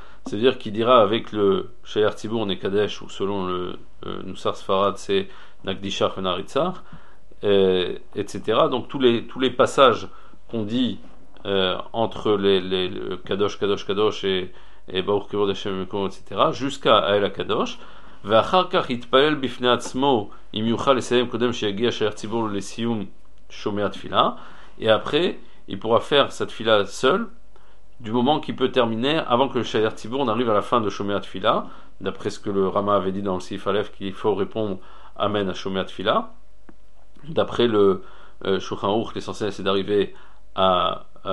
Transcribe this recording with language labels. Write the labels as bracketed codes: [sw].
[fr] C'est-à-dire qu'il dira avec le Shaliach Tzibur on est Kadesh, ou selon le Nusar Sfarad, c'est Nakdishar Venaritsar, etc. Donc tous les passages qu'on dit entre le [he] Kadosh, Kadosh, Kadosh [fr] et [he] Baruch Kibod Hashem Mekom, [fr] etc., jusqu'à Ael HaKadosh. [he] ואחר כך יתפלל בפני עצמו אם יוכל לסיים קודם שיגיע שליח ציבור לסיום שומע תפילה. [fr] Et après, il pourra faire sa tfila seul, du moment qu'il peut terminer, avant que le Shaliach Tzibur n'arrive à la fin de Shomer Tfila, d'après ce que le Rama avait dit dans le Sif Aleph, qu'il faut répondre Amen à Shomer Tfila. D'après le Shulchan Aruch, l'essentiel c'est d'arriver à.